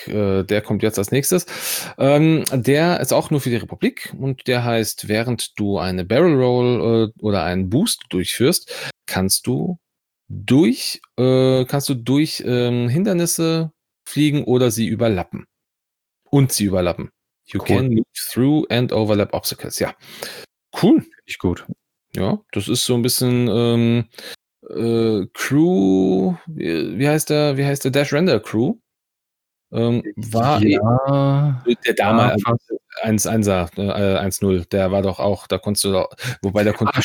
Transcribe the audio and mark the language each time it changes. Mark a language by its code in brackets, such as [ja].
[de] Der kommt jetzt als nächstes. Der ist auch nur für die Republik und der heißt, während du eine Barrel Roll oder einen Boost durchführst, kannst du durch Hindernisse fliegen oder sie überlappen. Und sie überlappen. [en] You can move through and overlap obstacles. [de] Ja, cool. Finde ich gut. Ja, das ist so ein bisschen Crew, wie heißt der Dash Render Crew? War ja, der damals, 1-0, der war doch auch, da konntest du doch, wobei der konnte ach,